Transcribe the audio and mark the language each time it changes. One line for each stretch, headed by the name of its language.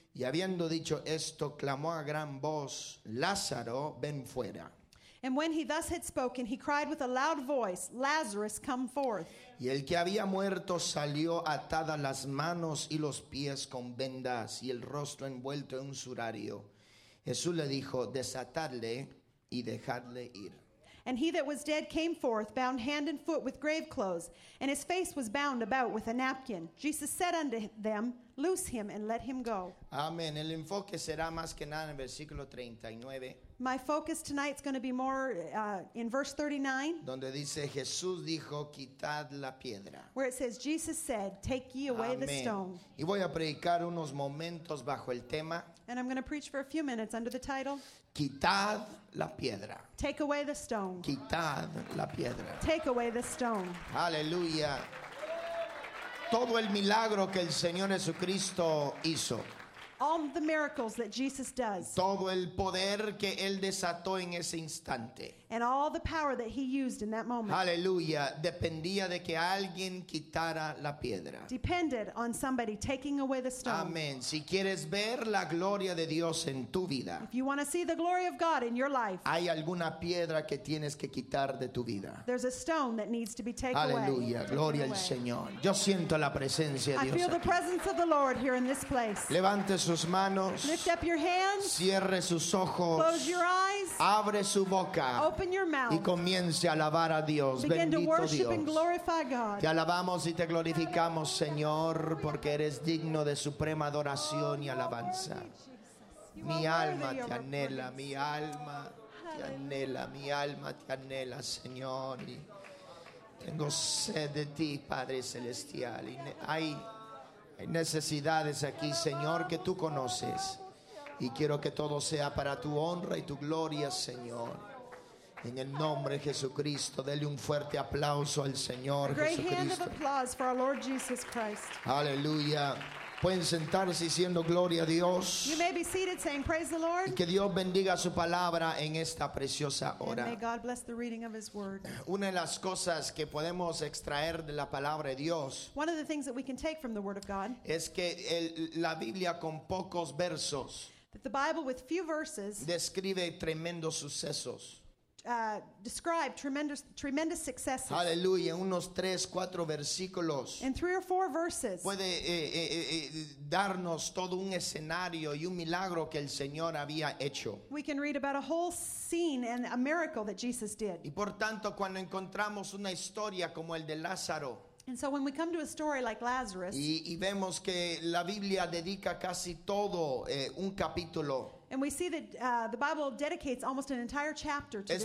Spanish: Y habiendo dicho esto, clamó a gran voz, Lázaro, ven fuera.
English: And when he thus had spoken, he cried with a loud voice, Lazarus, come forth.
Spanish: Y el que había muerto salió atada las manos y los pies con vendas y el rostro envuelto en un sudario. Jesús le dijo, desatadle y dejadle ir.
English: And he that was dead came forth, bound hand and foot with grave clothes, and his face was bound about with a napkin. Jesus said unto them, loose him and let him go. Amen.
Spanish: El enfoque será más que nada en el versículo 39.
English: My focus tonight is going to be more in verse 39.
Spanish: Donde dice, Jesús dijo, quitad la piedra.
English: Where it says, Jesus said, take ye away Amen. The stone.
Spanish: Y voy a predicar unos momentos bajo el tema.
English: And I'm going to preach for a few minutes under the title.
Spanish: Quitad la piedra.
English: Take away the stone.
Spanish: Quitad la piedra.
English: Take away the stone. Hallelujah.
Spanish: Todo el milagro que el Señor Jesucristo hizo.
English: All the miracles that Jesus does.
Spanish: Todo el poder que él desató en ese instante.
English: And all the power that he used in that moment.
Spanish: Hallelujah. Dependía de que alguien quitara la piedra.
English: Depended on somebody taking away the stone. Amen.
Spanish: Si quieres ver la gloria de Dios en tu vida.
English: If you want to see the glory of God in your life.
Spanish: Hay alguna piedra que tienes que quitar de tu vida.
English: There's a stone that needs to be taken Hallelujah. Away.
Spanish: Hallelujah. Gloria al Señor. Yo siento la presencia de Dios.
English: I feel
Spanish: aquí.
English: The presence of the Lord here in this place.
Spanish: Levante sus manos.
English: Lift up your hands.
Spanish: Cierre sus ojos.
English: Close your eyes.
Spanish: Abre su boca.
English: Open your mouth.
Spanish: Y comience a alabar a Dios.
English: Begin
Spanish: Bendito
English: to worship
Spanish: Dios.
English: And glorify God.
Spanish: Te alabamos y te glorificamos, Señor, porque eres digno de suprema adoración y alabanza. Mi alma te anhela, mi alma te anhela, mi alma te anhela, Señor. Y tengo sed de ti, Padre Celestial. Y hay necesidades aquí, Señor, que tú conoces. Y quiero que todo sea para tu honra y tu gloria, Señor. En el nombre de Jesucristo, dele un fuerte aplauso al Señor Jesucristo.
English: A great hand of applause for our Lord Jesus Christ.
Spanish: Aleluya. Pueden sentarse diciendo gloria a Dios.
English: You may be seated saying praise the Lord.
Spanish: Y que Dios bendiga su palabra en esta preciosa hora.
English: And may God bless the reading of his word.
Spanish: Una de las cosas que podemos extraer de la palabra de Dios.
English: One of the things that we can take from the word of God.
Spanish: Es que la Biblia con pocos versos.
English: That the Bible with few verses.
Spanish: Describe tremendos sucesos.
English: Describe tremendous successes.
Spanish: Hallelujah. Unos tres, cuatro versículos.
English: In three or four verses.
Spanish: Puede darnos todo un escenario y un milagro que el Señor había hecho.
English: We can read about a whole scene and a miracle that Jesus did.
Spanish: Y por tanto, cuando encontramos una historia como el de Lázaro.
English: And so when we come to a story like Lazarus.
Spanish: Y vemos que la Biblia dedica casi todo un capítulo.
English: And we see that the Bible dedicates almost an entire chapter to this story.